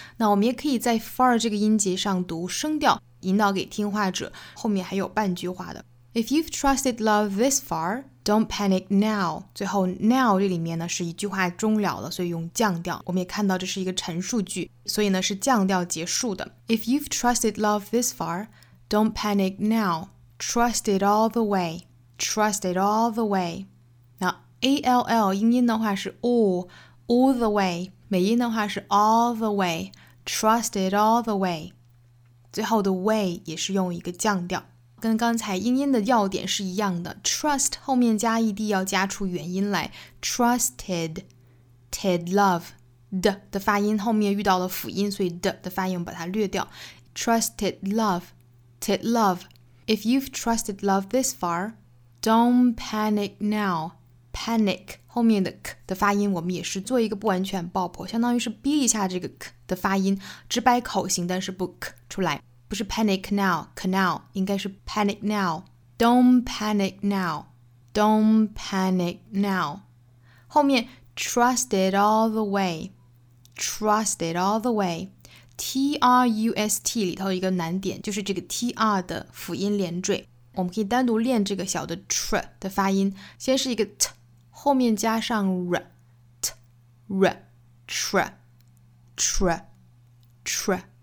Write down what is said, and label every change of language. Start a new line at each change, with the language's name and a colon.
Chinese: 那我们也可以在 far 这个音节上读声调，引导给听话者。后面还有半句话的。
English: If you've trusted love this far,Don't panic now.
Chinese: 最后 now 这里面呢是一句话终了了，所以用降调。我们也看到这是一个陈述句，所以呢是降调结束的。
English: If you've trusted love this far, don't panic now. Trust it all the way. Trust it all the way.
Chinese: 那 all 英音的话是
English: all the way，
Chinese: 美音的话是 all the way.
English: Trust it all the way.
Chinese: 最后的 way 也是用一个降调。跟刚才英音的要点是一样的， trust 后面加 ed 要加出元音来，
English: trusted, ted love,
Chinese: 的发音后面遇到了辅音，所以 的发音把它略掉，
English: trusted love, ted love. If you've trusted love this far, don't panic now.
Chinese: Panic 后面的 k 的发音我们也是做一个不完全爆破，相当于是逼一下这个 k 的发音，直白口型但是不 k 出来，不是
English: panic now, canal,
Chinese: 应该是
English: panic now. Don't panic now, don't panic now. 后面 trust it all the way, trust it all the way.
Chinese: T-R-U-S-T 里头一个难点就是这个 T-R 的辅音连缀，我们可以单独练这个小的 tr 的发音，先是一个 t, 后面加上 r, t, r, tr, tr, tr.